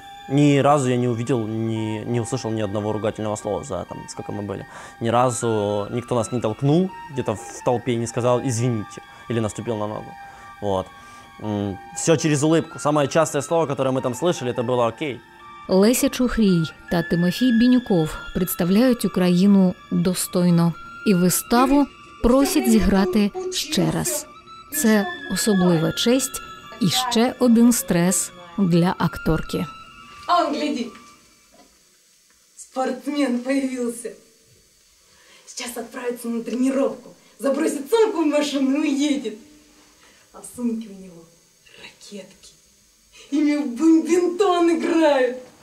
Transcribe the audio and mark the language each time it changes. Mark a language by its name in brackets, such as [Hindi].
[Russian] Ни разу я не увидел, не услышал ни одного ругательного слова за там, сколько мы были. Ни разу никто нас не толкнул где-то в толпе и не сказал «извините» или наступил на ногу. Вот. Все через улыбку. Самое частое слово, которое мы там слышали, это было «окей». [Ukrainian] Леся Чухрій та Тимофій Бінюков представляють Україну достойно. І виставу просять зіграти ще раз. Це особлива честь і ще один стрес для акторки. [Russian] Он, гляди, спортсмен появился. Сейчас отправится на тренировку, забросит сумку в машину и едет. А в сумке у него ракетки. Ими в бадминтон играют.